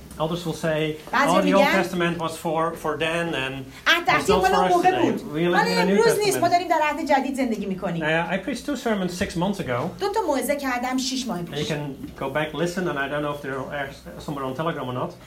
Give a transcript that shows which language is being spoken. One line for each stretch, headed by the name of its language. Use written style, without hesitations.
English: Elders will say, oh, the Old Testament was for then and it's not for us today. We live in the New Testament.
Persian: ما داریم در عهد جدید زندگی میکنیم.
English: I preached 2 sermons 6 months ago.
Persian: دو تا موعظه کردم 6 ماه پیش.
English: You can go back, listen, and I don't know if they're somewhere on Telegram or not.